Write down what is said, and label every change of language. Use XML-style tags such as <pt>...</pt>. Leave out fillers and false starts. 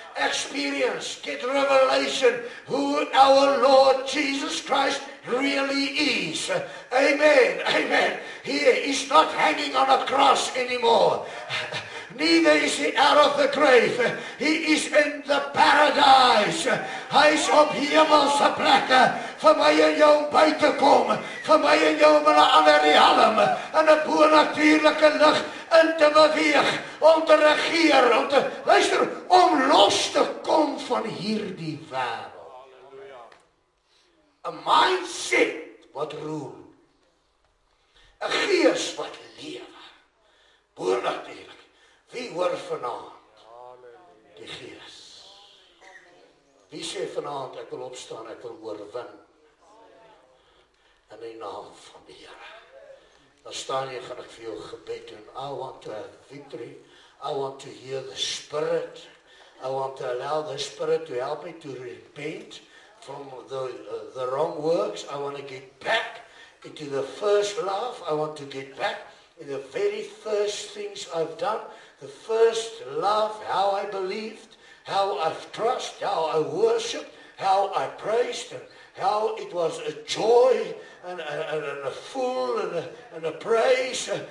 <en>Experience, get revelation who our Lord Jesus Christ really is. Amen, amen. He is not hanging on a cross anymore. Neither is he out of the grave. He is in the paradise.</en> <af>Hy is op hemelse plekke vir my en jou om by te kom, vir my en jou om in 'n ander realm, in 'n bonatuurlike lig in te beweeg, om te regeer, om te, luister, om los te kom van hierdie wêreld.</af> <en>A mindset</en> <af>wat roer, 'n gees wat lewe, bonatuurlik, wie hoor vanaand die gees? Wie sê vanavond, ek wil opstaan, ek wil oorwin. In die naam van die Here. Dan staan jy, gaan ek vir jou gebed doen.</af> <en>I want to have victory. I want to hear the Spirit. I want to allow the Spirit to help me to repent from the wrong works. I want to get back into the first love. I want to get back in the very first things I've done. The first love, how I believed. How I trust, how I worship, how I praised, and how it was a joy and a full and a praise.</en>